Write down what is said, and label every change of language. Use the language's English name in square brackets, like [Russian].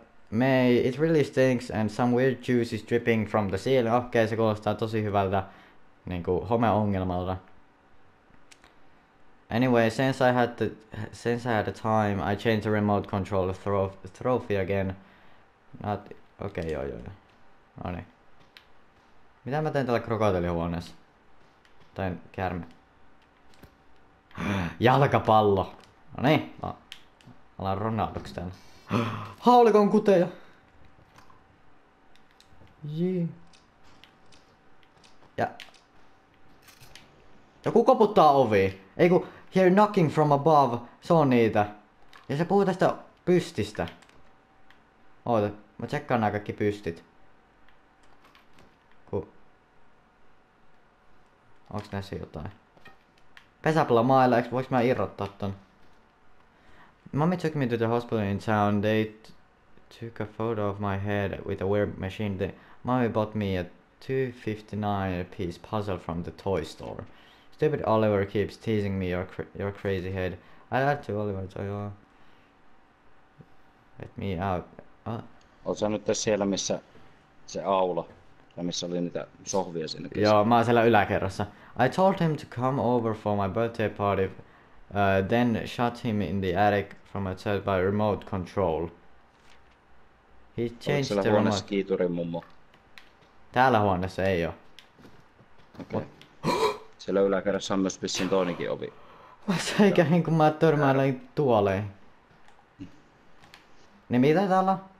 [English] May it really stinks and some weird juice is dripping from the ceiling. [Finnish] Okei, se kuulostaa tosi hyvältä niinku homeongelmalta. [English] Anyway, since I had the time, I changed the remote control to trophy again. [Finnish] Okei, okay, joo. No niin. Mitä mä teen tällä krokotiilihuoneessa? Tai käärme. Jalkapallo. No niin. Ollaan Ronaldoks täällä. Haulikon kuteja! Jee. Ja... Joku koputtaa ovi. Eiku, [English] hear knocking from above. [Finnish] Se on niitä. Ja se puhuu tästä pystistä. Oota, mä tsekkaan nää kaikki pystit. Ku... Onks näissä jotain? Pesäpallo mailla, eiks voiks mä irrottaa ton? [English] Mommy took me to the hospital in town. They took a photo of my head with a weird machine. Mommy bought me a $2.59 piece puzzle from the toy store. Stupid Oliver keeps teasing me. Your crazy head. I lied to Oliver. Let me out. [Finnish] Oletko nyt tässä siellä missä se aula ja missä oli niitä sohvia sinne? Joo, mä oon siellä yläkerrassa. [English] I told him to come over for my birthday party. Then shot him in the attic from a cell by remote control. He changed the remote. [Finnish] Huoneessa kiiturin mummo? Täällä huoneessa ei oo. Okei. Siellä yläkerrassa on myös vissiin toinenkin ovi. Mä säikäin, kun mä törmäilin tuoleen. Niin mitä täällä on?